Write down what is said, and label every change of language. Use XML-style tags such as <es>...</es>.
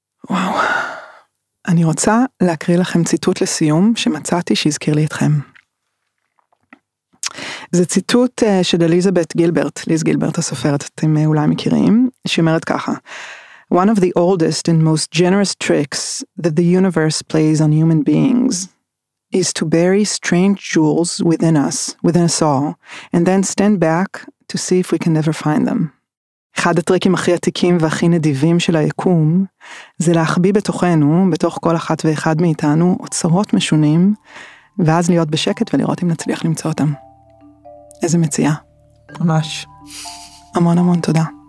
<he>וואו, אני רוצה להקריא לכם ציטוט לסיום שמצאתי שהזכיר לי אתכם. זה ציטוט של אליזבת גילברט, ליז גילברט הסופרת, אתם אולי מכירים, שאומרת ככה,</he> <en>one of the oldest and most generous tricks that the universe plays on human beings is to bury strange jewels within us, within us all, and then stand back to see if we can never find them.</en> <he>אחד הטריקים הכי עתיקים והכי נדיבים של היקום, זה להחביא בתוכנו, בתוך כל אחת ואחד מאיתנו, אוצרות משונים, ואז להיות בשקט ולראות אם נצליח למצוא אותם. איזה מציאה. ממש. המון המון תודה.</he>